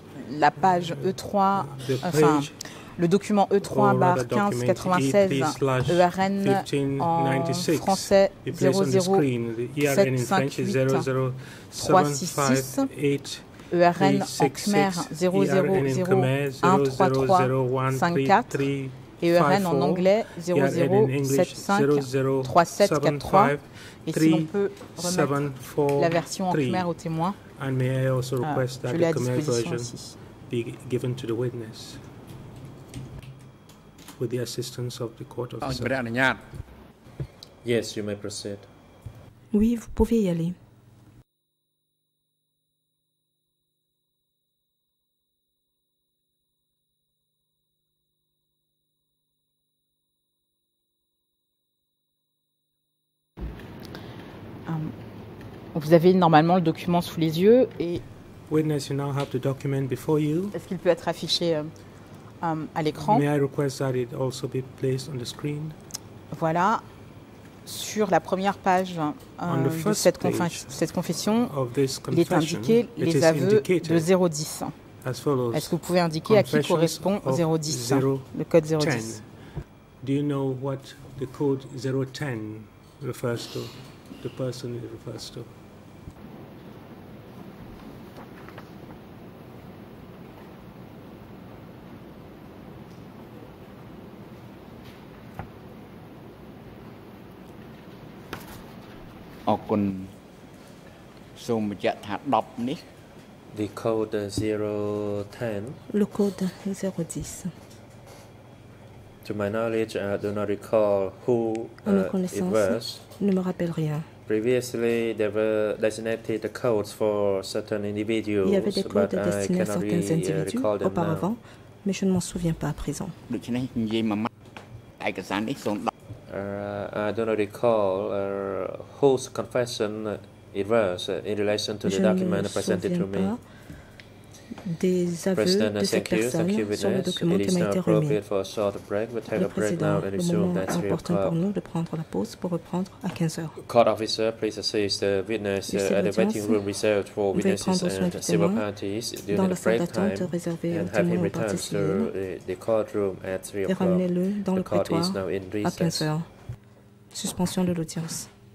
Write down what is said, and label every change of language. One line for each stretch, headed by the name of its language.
French: la page E3, enfin le document E3/1596 ERN en français 00758 ERN en Khmer 00033354 et ERN en anglais 00753743. Et si l'on peut remettre la version en Khmer au témoin,
English: and may I also request that the Khmer version be given to the witness with the assistance of the court officer. Yes, you may proceed.
French: Oui, vous pouvez y aller. Vous avez normalement le document sous les yeux et
English: witness, you now have the document before you.
French: Est-ce qu'il peut être affiché à l'écran?
English: May I request that it also be placed on the screen?
French: Voilà, sur la première page de cette confession, il est indiqué les aveux de 010.
English: As follows.
French: Est-ce que vous pouvez indiquer à qui correspond 010, le code 010?
English: Do you know what the code 010 refers to? The person it refers to. The code 010.
French: Le code 010.
English: To my knowledge, I do not recall who it was.
French: Ne me rappelle rien.
English: Previously, there were designated codes for certain individuals.
French: Il y avait des codes destinés à certains individus auparavant,
English: now.
French: Mais je ne m'en souviens pas à présent.
English: I do not recall whose confession it was in relation to
French: je
English: the document presented to me.
French: Je ne me souviens pas des aveux de cette personne sur le document qui m'a été remis. Monsieur le Président, le moment est opportun pour nous de prendre la pause pour reprendre à 15h.
English: Court officer, please assist the witness at the waiting room reserved for witnesses and civil parties during the break time réservé and have him return to the courtroom at 3 o'clock.
French: Et ramenez-le dans le prétoire à 15h. Suspension de l'audience.